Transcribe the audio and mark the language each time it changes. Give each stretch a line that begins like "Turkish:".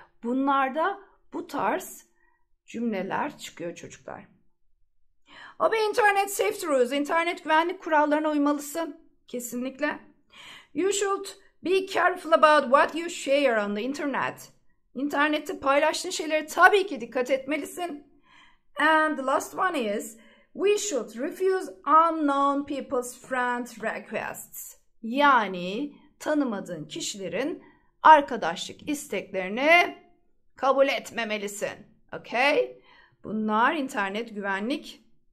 Turkish: Bunlarda bu tarz cümleler çıkıyor çocuklar. O bir internet
English: safety rules,
Turkish: internet güvenlik kurallarına uymalısın kesinlikle.
English: You should be careful about what you share on the internet.
Turkish: İnternette paylaştığın şeylere tabii ki dikkat etmelisin.
English: And the last one is, we should refuse unknown people's friend requests.
Turkish: Yani tanımadığın kişilerin arkadaşlık isteklerini kabul etmemelisin. Okay? Bunlar internet güvenlik